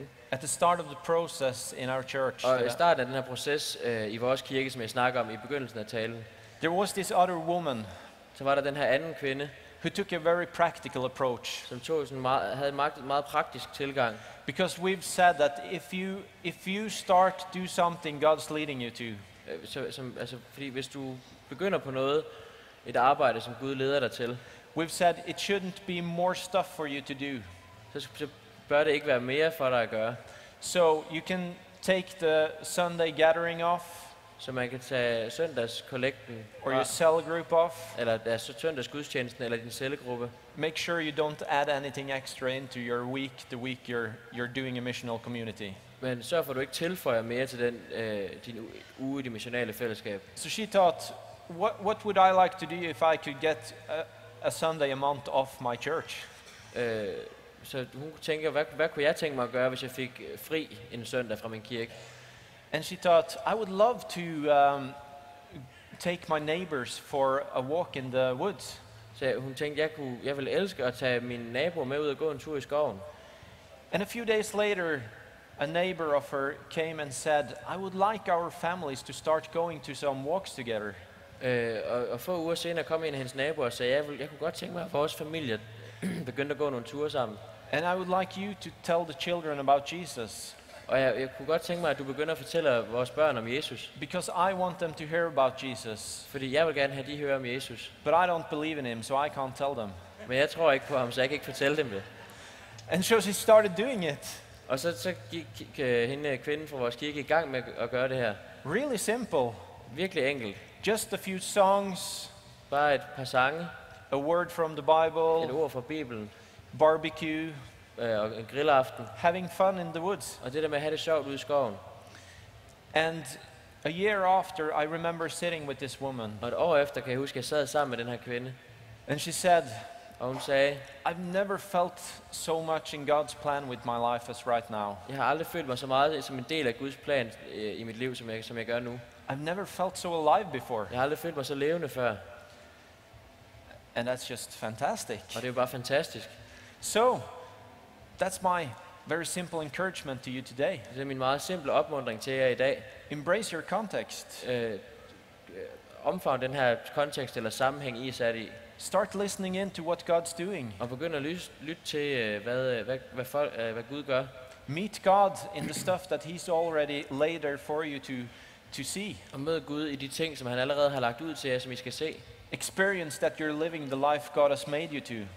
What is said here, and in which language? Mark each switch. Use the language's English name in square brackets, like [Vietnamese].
[English] At the start of the process in our church. [Danish] Og i starten af den her proces i vores kirke, som jeg snakker om i begyndelsen af talen. [English] There was this other woman. [Danish] Så var der den her anden kvinde. [English] Who took a very practical approach. [Danish] Som tog en meget praktisk tilgang. [English] Because we've said that if you start to do something God's leading you to. [Danish] Fordi hvis du begynder på noget, et arbejde som Gud leder dig til. [English] We've said it shouldn't be more stuff for you to do. [Danish] Så bør det ikke være mere for dig at gøre. [English] So you can take the Sunday gathering off. [Danish] Så man kan tage søndagskollekten [English] or your cell group off, [Danish] eller søndagsgudstjenesten eller din cellegruppe. [English] Make sure you don't add anything extra into your week, the week you're doing a missional community. [Danish] Men sørg for at du ikke tilføjer mere til den din uge i det missionale fællesskab. [English] So she thought, what would I like to do if I could get a Sunday a month off my church? [Danish] Så hun tænker, hvad kunne jeg tænke mig at gøre, hvis jeg fik fri en søndag fra min kirke? [English] And she thought, I would love to take my neighbors for a walk in the woods. [Danish] Så hun tænkte, jeg vil elske at tage min nabo med ud og gå en tur i skoven. [English] And a few days later, a neighbor of her came and said, I would like our families to start going to some walks together. [Danish] Og få uger senere kom en af hendes naboer og sagde, jeg kunne godt tænke mig at vores familie begyndte at gå nogle ture sammen. [English] And I would like you to tell the children about Jesus. [Danish] Og jeg kunne godt tænke mig, at du begynder at fortælle vores børn om Jesus. [English] Because I want them to hear about Jesus. [Danish] Fordi jeg vil gerne have de hører om Jesus. [English] But I don't believe in him, so I can't tell them. [Danish] Men jeg tror ikke på ham, så jeg kan ikke fortælle dem det. [English] And so she started doing it. [Danish] Og så gik hende kvinden fra vores kirke i gang med at gøre det her. [English] Really simple. [Danish] Virkelig enkelt. [English] Just a few songs. [Danish] Bare et par sange. [English] A word from the Bible. [Danish] Et ord fra Bibelen. [English] Barbecue. [Danish] Og en grillaften. [English] Having fun in the woods. [Danish] Og det der med at have det sjovt ude i skoven. [English] And a year after, I remember sitting with this woman. [Danish] Og et år efter kan jeg huske, at jeg sad sammen med den her kvinde. [English] And she said, [Danish] og hun sagde, [English] I've never felt so much in God's plan with my life as right now. [Danish] Jeg har aldrig følt mig så meget som en del af Guds plan i mit liv, som jeg gør nu. [English] I've never felt so alive before. [Danish] Jeg har aldrig følt mig så levende før. [English] And that's just fantastic. [Danish] Og det er bare fantastisk. [English] So, that's my very simple encouragement to you today. [Danish] Det er min meget simple opmuntring til jer i dag. [English] Embrace your context. [Danish] Omfavn den her kontekst eller sammenhæng I er sat i. [English] Start listening in to what God's doing. [Danish] Og begynd at lytte til hvad Gud gør. [English] Meet God in the stuff that He's already laid there for you to see. [Danish] Og mød Gud i de ting, som Han allerede har lagt ud til jer, som I skal se. [English] Experience that you're living the life God has made you to.